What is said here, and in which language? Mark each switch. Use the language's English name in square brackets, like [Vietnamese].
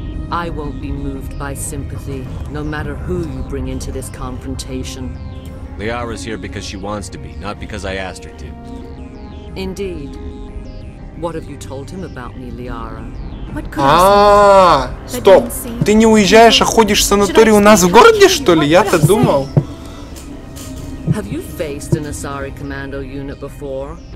[English] I won't be moved by sympathy, no matter who you bring into this confrontation. Liara's here because she wants to be, not because I asked her to. Indeed. What have you told him about me, Liara? What could [Russian] Стоп! Ты не уезжаешь, а ходишь в санаторий у нас в городе, что ли? Я-то думал. [English] Have you faced an Asari commando unit before?